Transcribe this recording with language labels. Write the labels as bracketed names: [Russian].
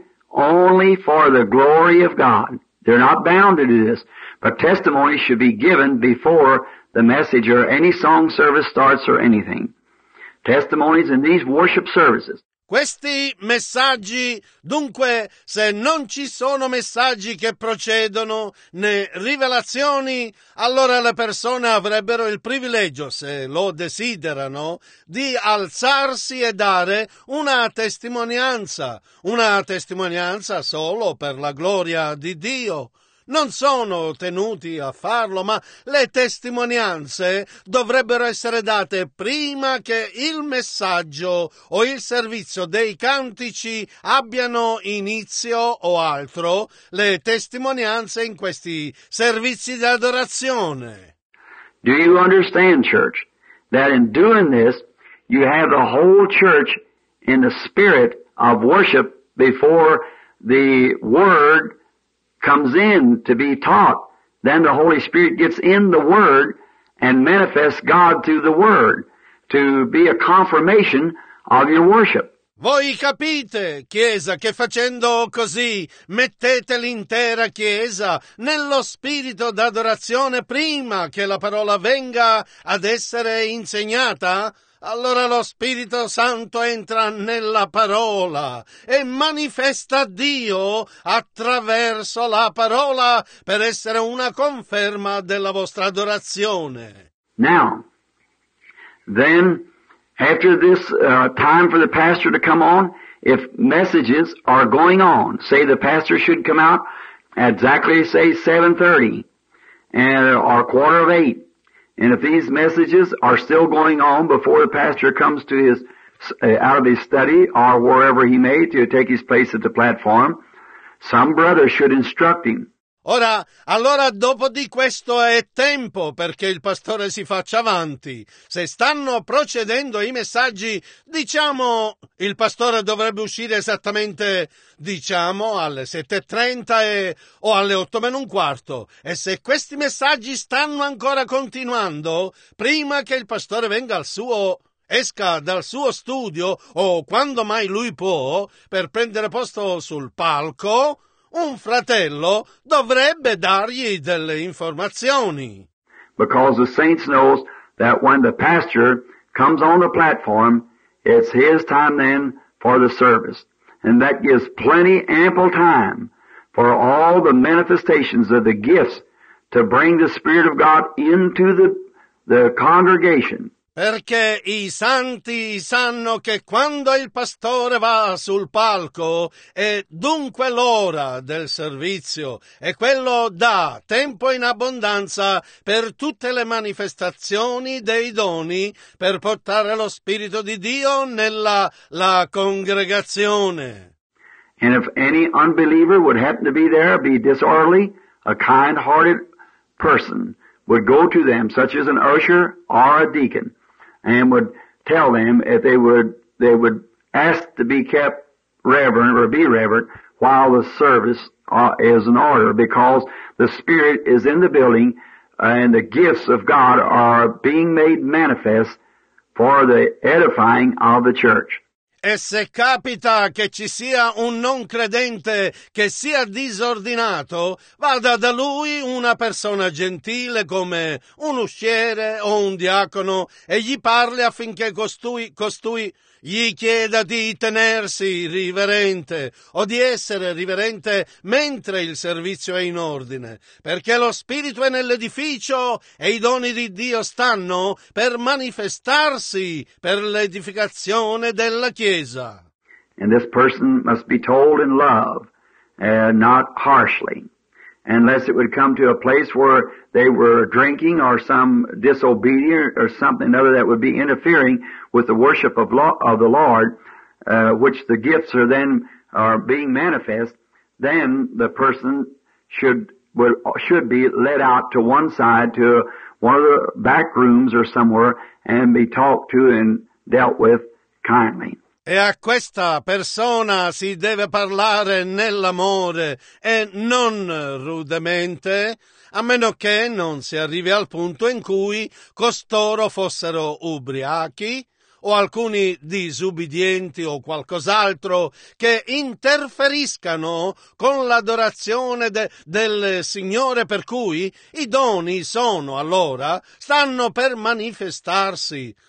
[English] only for the glory of God. They're not bound to do this. But testimony should be given before the message or any song service starts or anything. Testimonies in these worship services. [Italian] Questi messaggi, dunque, se non ci sono messaggi che procedono né rivelazioni, allora le persone avrebbero il privilegio, se lo desiderano, di alzarsi e dare una testimonianza solo per la gloria di Dio. Non sono tenuti a farlo, ma le testimonianze dovrebbero essere date prima che il messaggio o il servizio dei cantici abbiano inizio o altro, le testimonianze in questi servizi di adorazione. [English] Do you understand, church, that in doing this you have the whole church in the spirit of worship before the word comes in to be taught, then the Holy Spirit gets in the Word and manifests God through the Word to be a confirmation of your worship. [Italian] Voi capite, Chiesa, che facendo così mettete l'intera Chiesa nello spirito d'adorazione prima che la parola venga ad essere insegnata? Allora lo Spirito Santo entra nella parola e manifesta Dio attraverso la parola per essere una conferma della vostra adorazione. [English] Now, then, after this time for the pastor to come on, if messages are going on, say the pastor should come out at exactly, say, 7:30 or 7:45, and if these messages are still going on before the pastor comes to his out of his study or wherever he may to take his place at the platform, some brother should instruct him. [Italian] Ora, allora dopo di questo è tempo perché il pastore si faccia avanti. Se stanno procedendo i messaggi, diciamo il pastore dovrebbe uscire esattamente, diciamo, alle 7:30 o alle 8:15. E se questi messaggi stanno ancora continuando, prima che il pastore venga al suo esca dal suo studio o quando mai lui può, per prendere posto sul palco, un fratello dovrebbe dargli delle informazioni. [English] Because the saints knows that when the pastor comes on the platform, it's his time then for the service. And that gives plenty, ample time for all the manifestations of the gifts to bring the Spirit of God into the congregation. [Italian] Perché i santi sanno che quando il pastore va sul palco è dunque l'ora del servizio e quello dà tempo in abbondanza per tutte le manifestazioni dei doni per portare lo Spirito di Dio nella la congregazione. [English] And if any unbeliever would happen to be there, be disorderly, a kind-hearted person would go to them, such as an usher or a deacon, and would tell them if they would ask to be kept reverent or be reverent while the service is in order, because the Spirit is in the building and the gifts of God are being made manifest for the edifying of the church. [Italian] E se capita che ci sia un non credente che sia disordinato, vada da lui una persona gentile come un usciere o un diacono e gli parli affinché costui gli chieda di tenersi riverente o di essere riverente mentre il servizio è in ordine, perché lo spirito è nell'edificio e i doni di Dio stanno per manifestarsi per l'edificazione della Chiesa. [English] And this person must be told in love, not harshly, unless it would come to a place where they were drinking or some disobedient or something other that would be interfering with the worship of the Lord, which the gifts are being manifest, then the person should be led out to one side, to one of the back rooms or somewhere, and be talked to and dealt with kindly. [Italian] E a questa persona si deve parlare nell'amore e non rudemente, a meno che non si arrivi al punto in cui costoro fossero ubriachi o alcuni disubbidienti o qualcos'altro che interferiscano con l'adorazione del Signore, per cui i doni sono, allora, stanno per manifestarsi.